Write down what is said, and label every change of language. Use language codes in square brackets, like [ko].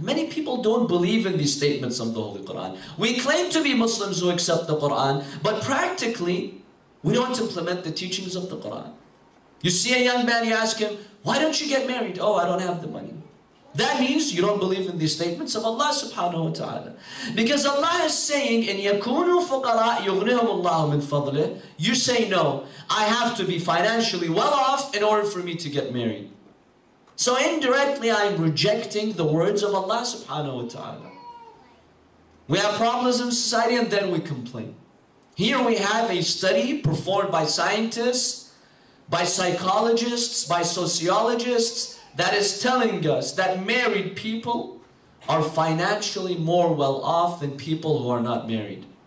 [en] Many people don't believe in these statements of the Holy Quran. We claim to be Muslims who accept the Quran, but practically, we don't implement the teachings of the Quran. You see a young man, you ask him, why don't you get married? Oh, I don't have the money. That means you don't believe in these statements of Allah subhanahu wa ta'ala. Because Allah is saying, [ar] إِنْ يَكُونُوا فُقَرَاءَ يُغْنِهُمُ اللَّهُ مِنْ فَضْلِهِ. [en] You say, no, I have to be financially well off in order for me to get married. So indirectly, I'm rejecting the words of Allah subhanahu wa ta'ala. We have problems in society and then we complain. Here we have a study performed by scientists, by psychologists, by sociologists, that is telling us that married people are financially more well off than people who are not married.